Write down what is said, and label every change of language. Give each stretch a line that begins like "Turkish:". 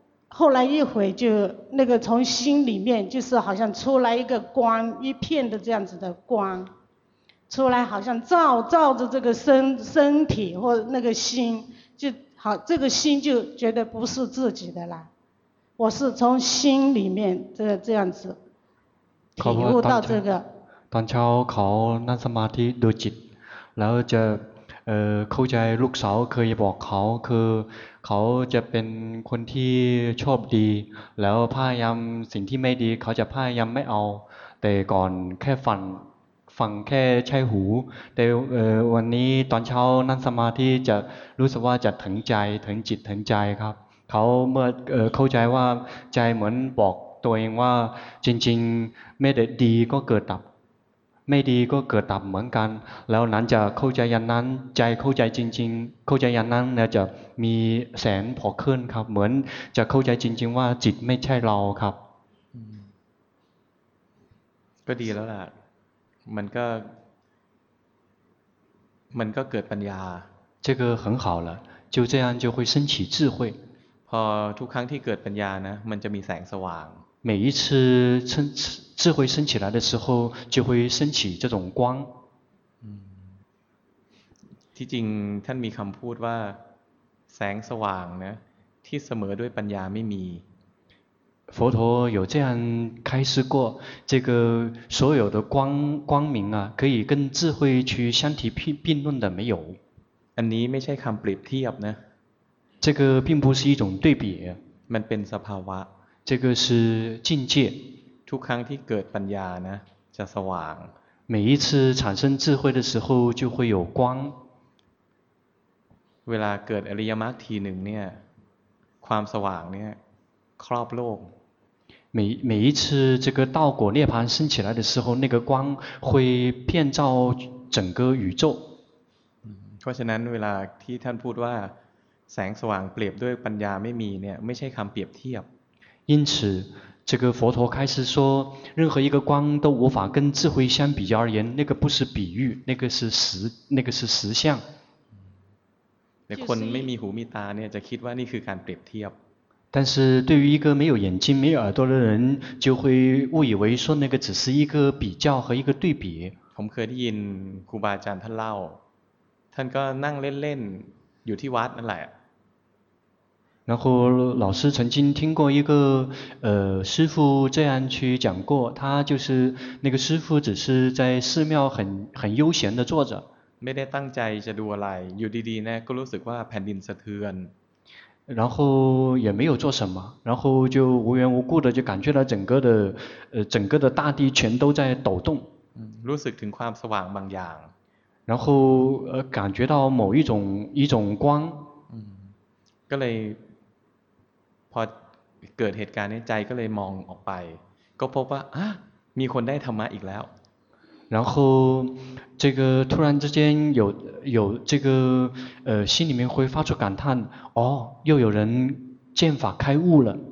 Chinese: 后来一会就那个从心里面就是好像出来一个光一片的这样子的光出来好像照着这个身体或那个心就好这个心就觉得不是自己的啦我是从心里面这样子体悟到这个
Thai: ตอนเช้าเขานั่งสมาธิดูจิตแล้วจะเข้าใจลูกสาวเคยบอกเขาคือเขาจะเป็นคนที่ชอบดีแล้วพยายามสิ่งที่ไม่ดีเขาจะพยายามไม่เอาแต่ก่อนแค่ฟัง แค่ใช่หูแต่วันนี้ตอนเช้านั่งสมาธิจะรู้สึกว่าจะถึงใจถึงจิตถึงใจครับเขาเมื่ เข้าใจว่าใจเหมือนบอกตัวเองว่าจริงๆไม่ได้ดีก็เกิดดับไม่ดีก็เกิดดับเหมือนกันแล้วนั้นจะเข้าใจอย่างนั้นใจเข้าใจจริงๆเข้าใจอย่างนั้นแล้วจะมีแสงพอขึ้นครับเหมือนจะเข้าใจจริงๆว่าจิตไม่ใช่เราครับ ก็ดีแล้วล่ะมันก็เกิดปัญญา
Chinese: 这个很好了就这样就会升起智慧
Thai: พอทุกครั้งที่เกิดปัญญานะมันจะมีแสงสว่าง
Chinese: 每一次智慧升起来的时候就会升起这种光
Thai: ที่จริงท่านมีคำพูดว่าแสงสว่างนะที่เสมอด้วยปัญญาไม่มี
Chinese: 佛陀有这样开示过这个所有的光明啊可以跟智慧去相提并论的没有
Thai: อันนี้ไม่ใช่คำเปรียบเทียบนะ
Chinese: 这个并不是一种对比
Thai: มันเป็นสภาวะ
Chinese: 这个是境界
Thai: ทุกครั้งที่เกิดปัญญานะจะสว่าง
Chinese: 每一次产生智慧的时候就会有光
Thai: เวลาเกิดอริยมรรคทีหนึ่งเนี่ยความสว่างเนี่ยครอบโลก
Chinese: 每一次这个道果涅槃升起来的时候那个光会遍照整个宇宙
Thai: เพราะฉะนั้นเวลาที่ท่านพูดว่าแสงสว่างเปรียบด้วยปัญญาไม่มีเนี่ยไม่ใช่คำเปรียบเทียบ
Chinese: 因此这个佛陀开始说任何一个光都无法跟智慧相比较而言那个不是比喻那个是实相
Thai: คนไม่มีหูมีตาเนี่ยจะคิดว่านี่คือการเปรียบเทียบ
Chinese: 但是对于一个没有眼睛没有耳朵的人就会误以为说那个只是一个比较和一个对比 เ
Thai: ผมเคยได้ยินครูบาอาจารย์ท่านเล่าท่านก็นั่งเล่นๆอยู่ที่วัดนั่นแหละ
Chinese: 然后老师曾经听过一个师父这样去讲过，他就是那个师父只是在寺庙很悠闲的坐着。没得当在在读
Thai: อะไร，อยู่ดีๆนะก็รู้สึกว่าแผ่นดินสะเทือน。
Chinese: 然后也没有做什么，然后就无缘无故的就感觉到整个的大地全都在抖动。
Thai: รู้สึกถึงความสว่างบางอย่าง。
Chinese: 然后感觉到某一种光。
Thai: ก็เลยพอเกิดเหตุการณ์นี้ใจก็เลยมองออกไปก็พบว่ามีคนได้ธรรมะอีกแล้ว
Chinese: 然后这个突然之间有这个心里面会发出感叹哦又有人见法开悟了